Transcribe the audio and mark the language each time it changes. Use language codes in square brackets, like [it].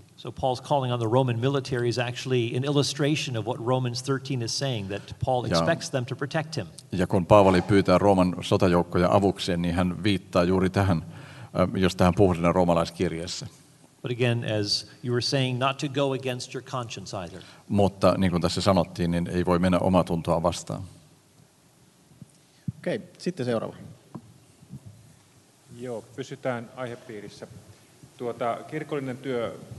[en] So Paul's calling on the Roman military is actually an illustration of what Romans 13 is saying, that Paul expects them to protect him. [fi] Ja kun Paavali pyytää Rooman sotajoukkoja avukseen, niin hän viittaa juuri tähän, jos tähän puhutaan roomalaiskirjeessä. [en] But again, as you were saying, not to go against your conscience either. [fi] Mutta niin kuin tässä sanottiin, niin ei voi mennä omaa tuntoa vastaan. Okei, sitten seuraava. Joo, pysytään aihepiirissä. Kirkollinen työ